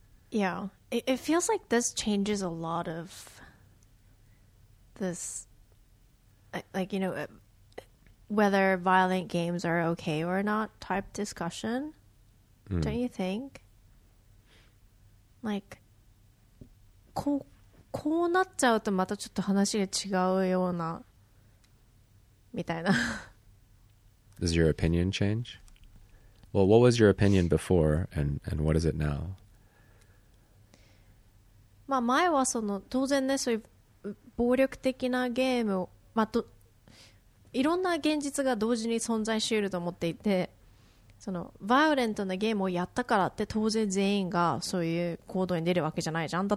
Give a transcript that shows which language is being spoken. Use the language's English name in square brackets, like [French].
[English] Yeah, it feels like this changes a lot of this, like, you know, whether violent games are okay or not type discussion, don't you think? [Japanese] Like, こうなっちゃうとまたちょっと話が違うようなみたいな。 [English] Does your opinion change? Well, what was your opinion before, and what is it now? [Japanese] まあ前はその当然ねそういう暴力的なゲームを、まあ、いろんな現実が同時に存在しうると思っていて、そのバイオレントなゲームをやったからって当然全員がそういう行動に出るわけじゃないじゃん。